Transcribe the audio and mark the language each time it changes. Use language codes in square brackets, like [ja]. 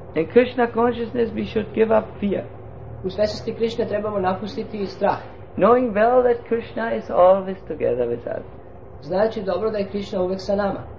[en] In Krishna consciousness we should give up fear. [sr] U svjesnosti Krishna trebamo napustiti strah. [en] Knowing well that Krishna is always together with us. [sr] Znajući dobro da je Krishna uvijek sa nama.